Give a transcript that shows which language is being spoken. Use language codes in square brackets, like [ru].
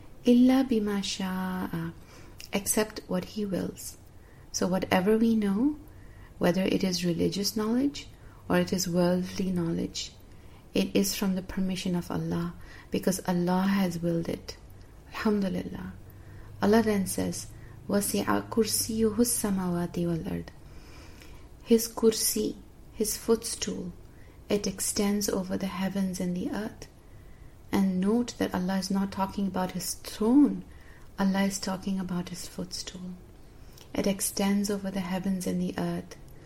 [ar] إِلَّا بِمَا شَاءَ. [en] Except what He wills. So whatever we know, whether it is religious knowledge or it is worldly knowledge, it is from the permission of Allah, because Allah has willed it. Alhamdulillah. Allah then says, [ar] وَسِعَ كُرْسِيُهُ السَّمَوَاتِ وَالْأَرْضِ. [en] His kursi, His footstool, it extends over the heavens and the earth. And note that Allah is not talking about His throne, Allah is talking about His footstool. It extends over the heavens and the earth.